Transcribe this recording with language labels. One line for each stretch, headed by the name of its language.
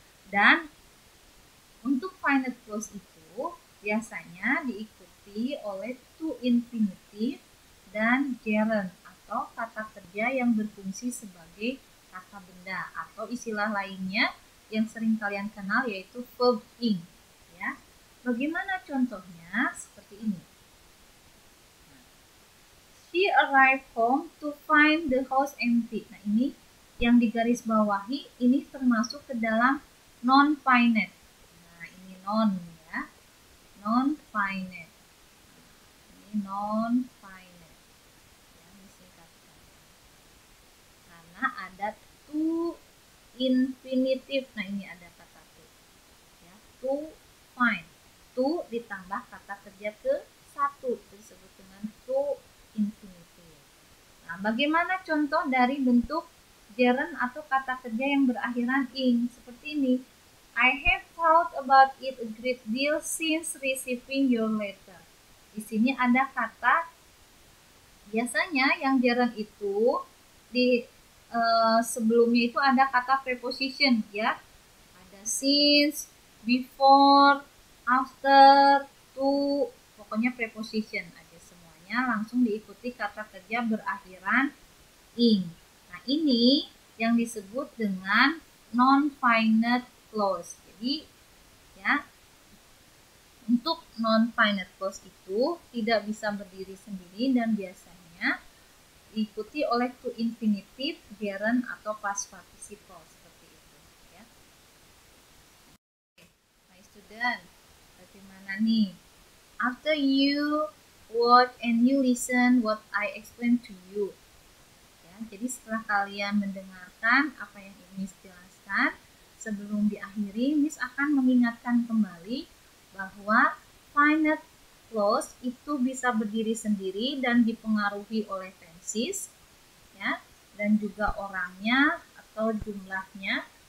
Indonesian: Dan untuk finite clause itu biasanya diikuti oleh to infinitive dan gerund atau kata kerja yang berfungsi sebagai kata benda, atau istilah lainnya yang sering kalian kenal yaitu verb ing. Ya. Bagaimana contohnya seperti ini.
English: She arrived home to find the house empty.
Indonesian: Nah, ini yang digaris bawahi, ini termasuk ke dalam non-finite. Nah, ini non ya. Non-finite. Ini non-finite. Ya, disingkatkan. Karena ada to infinitive. Nah, ini ada kata to. Ya, to find. To ditambah kata kerja ke satu. Disebut dengan to infinitive. Nah, bagaimana contoh dari bentuk gerund atau kata kerja yang berakhiran ing seperti ini?
English: I have thought about it a great deal since receiving your letter.
Indonesian: Di sini ada kata biasanya yang gerund itu di sebelumnya itu ada kata preposition ya. Ada since, before, after, to, pokoknya preposition. Langsung diikuti kata kerja berakhiran ing. Nah, ini yang disebut dengan non-finite clause. Jadi, ya, untuk non-finite clause itu tidak bisa berdiri sendiri dan biasanya diikuti oleh to infinitive, gerund atau past participle seperti itu. Ya.
English: My student,
Indonesian: bagaimana nih?
English: After you watch and you listen what I explain to you.
Indonesian: Ya, jadi setelah kalian mendengarkan apa yang Miss jelaskan, sebelum diakhiri, Miss akan mengingatkan kembali bahwa finite clause itu bisa berdiri sendiri dan dipengaruhi oleh tenses, ya, dan juga orangnya atau jumlahnya.